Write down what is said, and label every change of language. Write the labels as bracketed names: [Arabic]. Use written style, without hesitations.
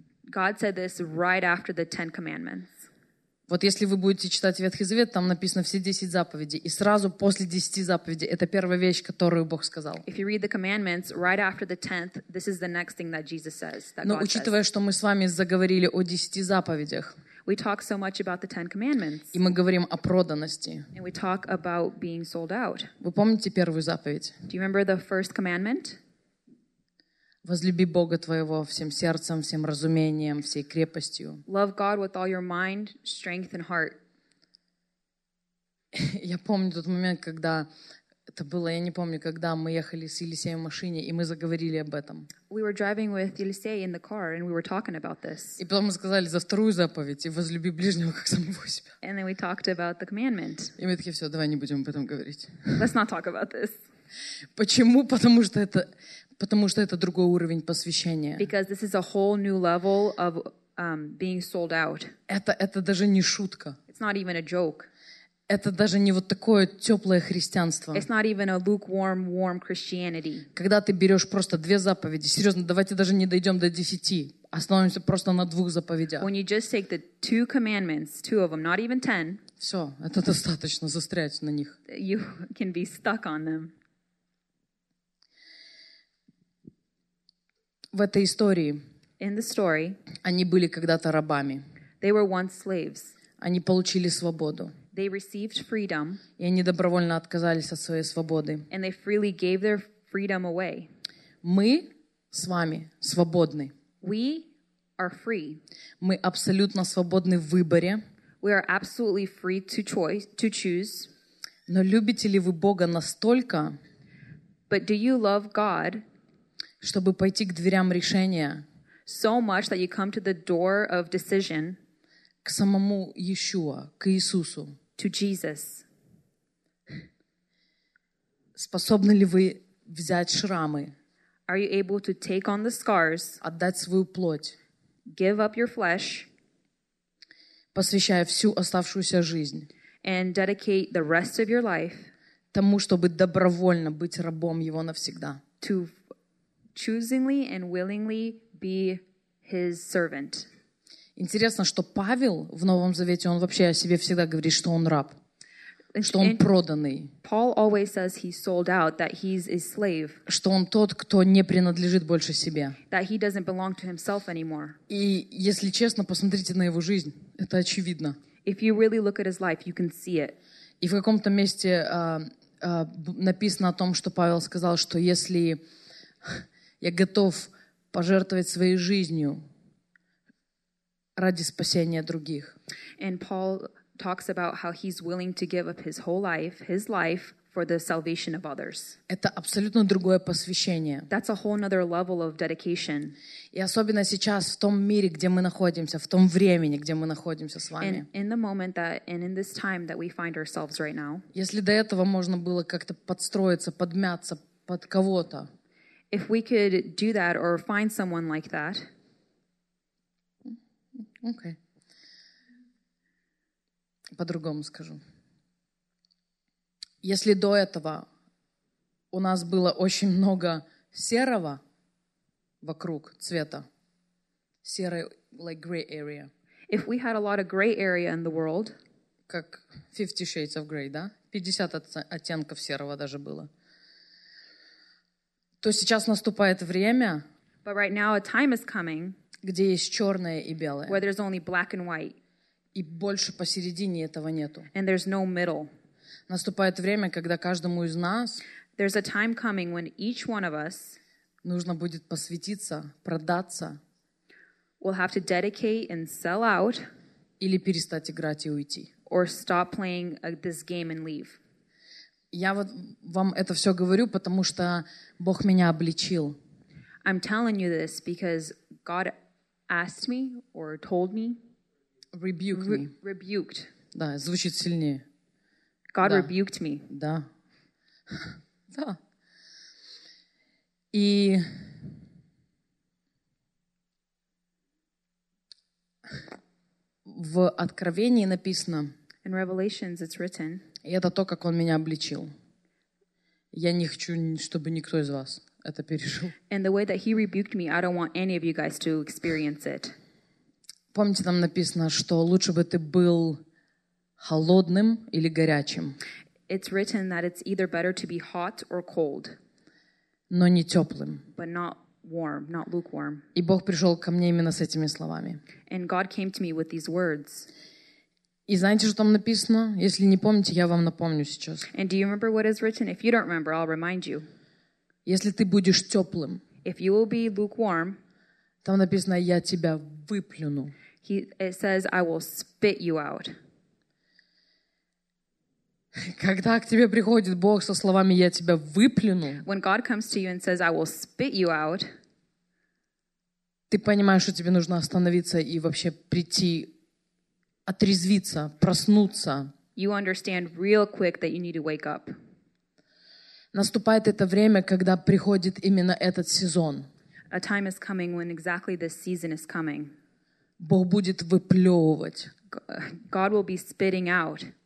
[English] God said this right after the 10 commandments. [Russian] Вот если вы будете читать Ветхий Завет, там написано все 10 заповедей. И сразу после 10 заповедей, это первая вещь, которую Бог сказал. [English] If you read the commandments right after the 10th, this is the next thing that Jesus says, that God says. [Russian] Но учитывая, что мы с вами заговорили о 10 заповедях, [English] we talk so much about the 10 commandments. [Russian] И мы говорим о проданности. [English] And we talk about being sold out. [Russian] Вы помните первую заповедь? [English] Do you remember the first commandment? [Russian] Возлюби Бога твоего всем сердцем, всем разумением, всей крепостью. [English] Love God with all your mind, strength and heart. [Russian] Я помню тот момент, когда это было, я не помню, когда мы ехали с Елисеем в машине, и мы заговорили об этом. [English] We were driving with Елисей in the car and we were talking about this. [Russian] И потом мы сказали за вторую заповедь, и возлюби ближнего как самого себя. [English] And then we talked about the commandment. [Russian] И мы такие, все, давай не будем об этом говорить. [English] Let's not talk about this. [Russian] Почему? Потому что это другой уровень посвящения. [English] Because this is a whole new level of being sold out. [Russian] Это даже не шутка. [English] It's not even a joke. [Russian] Это даже не вот такое теплое христианство. [English] It's not even a lukewarm, warm Christianity. [Russian] Когда ты берешь просто две заповеди, серьезно, давайте даже не дойдем до десяти, остановимся просто на двух заповедях. [English] When you just take the two commandments, two of them, not even ten. [Russian] Все, это достаточно застрять на них. [English] You can be stuck on them. [Russian] В этой истории [English] in the story, [Russian] они были когда-то рабами. [English] They were once slaves. [Russian] Они получили свободу. [English] They received freedom. [Russian] И они добровольно отказались от своей свободы. [English] And they freely gave their freedom away. [Russian] Мы с вами свободны. [English] We are free. [Russian] Мы абсолютно свободны в выборе. [English] We are absolutely free to choice, to choose. [Russian] Но любите ли вы Бога настолько, [English] but do you love God [Russian] чтобы пойти к дверям решения, [English] so much that you come to the door of decision, [Russian] к самому Иешуа, к Иисусу, [English] to Jesus. [Russian] Способны ли вы взять шрамы, [English] are you able to take on the scars, [Russian] отдать свою плоть, [English] give up your flesh, [Russian] посвящая всю оставшуюся жизнь, [English] and dedicate the rest of your life, [Russian] тому, чтобы добровольно быть рабом Его навсегда, [English] to choosingly and willingly be his servant. [Russian] Интересно, что Павел в Новом Завете, он вообще о себе всегда говорит, что он раб, что он проданный. [English] Paul always says he's sold out, that he's a slave. [Russian] Что он тот, кто не принадлежит больше себе. [English] That he doesn't belong to himself anymore. [Russian] И если честно, посмотрите на его жизнь, это очевидно. [English] If you really look at his life, you can see it. [Russian] И в каком-то месте написано о том, что Павел сказал, что если я готов пожертвовать своей жизнью ради спасения других. [English] And Paul talks about how he's willing to give up his life for the salvation of others. [Russian] Это абсолютно другое посвящение. [English] That's a whole another level of dedication. [Russian] И особенно сейчас в том мире, где мы находимся, в том времени, где мы находимся с вами. [English] In the moment that and in this time that we find ourselves right now. [Russian] Если до этого можно было как-то подстроиться, подмяться под кого-то. [English] If we could do that or find someone like that. Okay. [Russian] По-другому скажу. Если до этого у нас было очень много серого вокруг цвета, серый, [English] like gray area. If we had a lot of gray area in the world. [Russian] Как [English] 50 shades of gray, [Russian] да? 50 оттенков серого даже было. То сейчас наступает время, [English] but right now a time is coming, [Russian] где есть черное и белое, [English] where there's only black and white, [Russian] и больше посередине этого нету. [English] And there's no middle. [Russian] Наступает время, когда каждому из нас [English] there's a time coming when each one of us [Russian] нужно будет посвятиться, продаться, [English] we'll have to dedicate and sell out, [Russian] или перестать играть и уйти, [English] or stop playing this game and leave. [Russian] Я вот вам это все говорю, потому что Бог меня обличил. [English] I'm telling you this because God asked me or told me. Rebuked. [Russian] Да, звучит сильнее. [English] God rebuked me. [Russian] Да. Да. И в Откровении написано. [English] In Revelations it's written. [Russian] И это то, как он меня обличил. Я не хочу, чтобы никто из вас это пережил. [English] And the way that he rebuked me, I don't want any of you guys to experience it. [Russian] Помните, там написано, что лучше бы ты был холодным или горячим. [English] It's written that it's either better to be hot or cold. [Russian] Но не теплым. [English] But not warm, not lukewarm. [Russian] И Бог пришел ко мне именно с этими словами. [English] And God came to me with these words. [Russian] И знаете, что там написано? Если не помните, я вам напомню сейчас. [English] And do you remember what is written? If you don't remember, I'll remind you. [Russian] Если ты будешь теплым, [English] if you will be lukewarm, [Russian] там написано, я тебя выплюну. [English] It says, I will spit you out. [Russian] Когда к тебе приходит Бог со словами, я тебя выплюну, [English] when God comes to you and says, I will spit you out, [Russian] ты понимаешь, что тебе нужно остановиться и вообще прийти, отрезвиться, проснуться. [English] You understand real quick that you need to wake up. [Russian] Наступает это время, когда приходит именно этот сезон. [English] A time is coming when exactly this season is coming. [Russian] Бог будет выплевывать. [English] God will be spitting out.